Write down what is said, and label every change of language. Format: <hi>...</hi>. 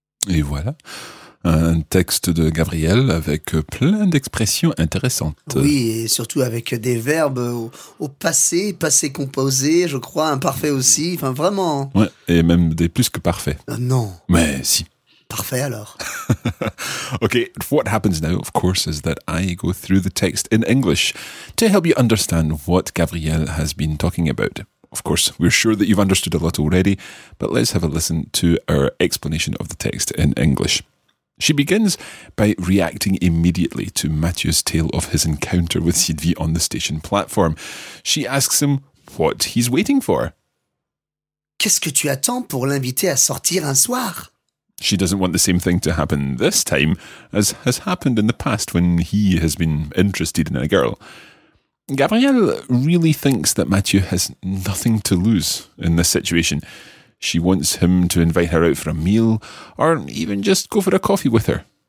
<fr>Et voilà, un texte de Gabriel avec plein d'expressions intéressantes. Oui, et surtout avec des verbes au passé, passé composé, je crois, imparfait aussi, enfin vraiment. Ouais, et même des plus que parfaits. Non. Mais si. Parfait alors.</fr> <en>Okay, what happens now, of course, is that I go through the text in English to help you understand what Gabriel has been talking about. Of course, we're sure that you've understood a lot already, but let's have a listen to our explanation of the text in English. She begins by reacting immediately to Mathieu's tale of his encounter with Sylvie on the station platform. She asks him what he's waiting for.</en> <fr>Qu'est-ce que tu attends pour l'inviter à sortir un soir?</fr> <en>She doesn't want the same thing to happen this time as has happened in the past when he has been interested in a girl. Gabrielle really thinks that Mathieu has nothing to lose in this situation. She wants him to invite her out for a meal or even just go for a coffee with her.</en>